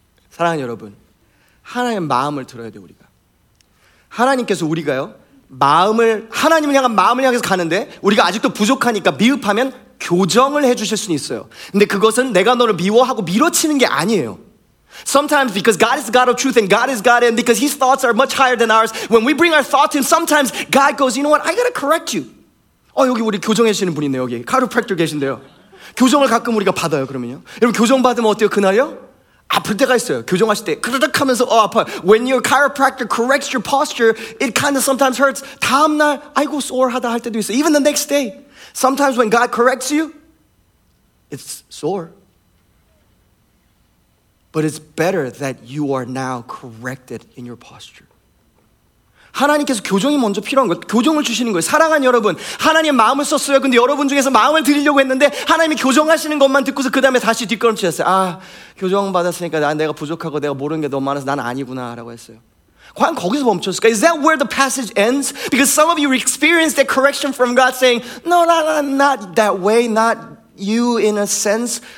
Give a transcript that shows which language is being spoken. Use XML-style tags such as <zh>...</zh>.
<ko>사랑하는 여러분, 하나님의 마음을 들어야 돼요. 우리가 하나님께서 우리가요 마음을 하나님을 향한 마음을 향해서 가는데 우리가 아직도 부족하니까 미흡하면 교정을 해주실 수는 있어요. 근데 그것은 내가 너를 미워하고 밀어치는 게 아니에요.</ko> <en>Sometimes because God is the God of truth and God is God and because His thoughts are much higher than ours, when we bring our thoughts in, sometimes God goes, you know what? I gotta correct you.</en> <ko>여기 우리 교정해주시는 분이 있네요. 여기 카이로프랙터 계신데요. 교정을 가끔 우리가 받아요. 그러면요. 여러분 교정 받으면 어때요? 그날요? 아플 때가 있어요. 교정하실 때 그르륵 하면서 아파요.</ko> <en>When your chiropractor corrects your posture, it kind of sometimes hurts.</en> <ko>다음날 아이고 sore 하다 할 때도 있어.</ko> <en>Even the next day, sometimes when God corrects you, it's sore. But it's better that you are now corrected in your posture.</en> <ko>하나님께서 교정이 먼저 필요한 거예요. 교정을 주시는 거예요. 사랑하는 여러분, 하나님 마음을 썼어요. 근데 여러분 중에서 마음을 드리려고 했는데 하나님이 교정하시는 것만 듣고서 그 다음에 다시 뒷걸음치셨어요. 아, 교정 받았으니까 난 내가 부족하고 내가 모르는 게 너무 많아서 난 아니구나 라고 했어요. 과연 거기서 멈췄을까?</ko> <en>Is that where the passage ends? Because some of you experienced that correction from God saying, no, no, no, not that way, not you in a sense.</en>